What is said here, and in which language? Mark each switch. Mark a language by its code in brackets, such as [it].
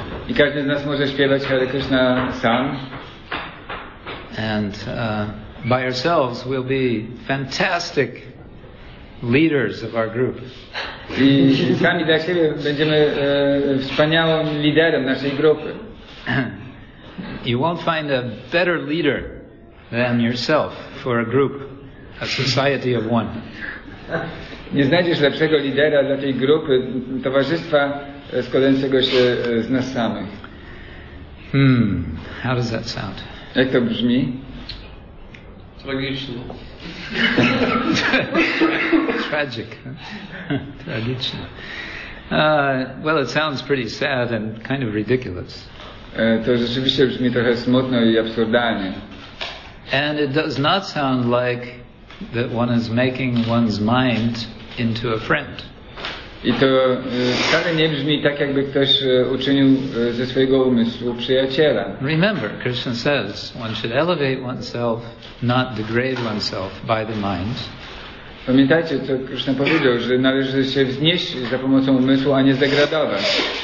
[pl] I każdy z nas może śpiewać Hare Krishna sam. [en] And by ourselves we'll be fantastic leaders of our group. [pl] I sami dla siebie będziemy wspaniałym liderem naszej grupy. [en] You won't find a better leader than yourself for a group, a society of one. [pl] Nie znajdziesz lepszego lidera dla tej grupy, towarzystwa składającego się z nas samych. [en] How does that sound? [pl] Jak to brzmi? Tragicznie. [en] Tragic. [pl] Tragicznie. [en] Well, it sounds pretty sad and kind of ridiculous. [pl] To rzeczywiście brzmi trochę smutno i absurdalnie. [en] And it does not sound like that one is making one's mind into a friend. [pl] I to wcale nie brzmi tak, jakby ktoś uczynił ze swojego umysłu przyjaciela. [en] Remember, Krishna says, one should elevate oneself, not degrade oneself by the mind. [pl] Pamiętajcie, co Krishna powiedział, że należy się wznieść za pomocą umysłu, a nie zdegradować.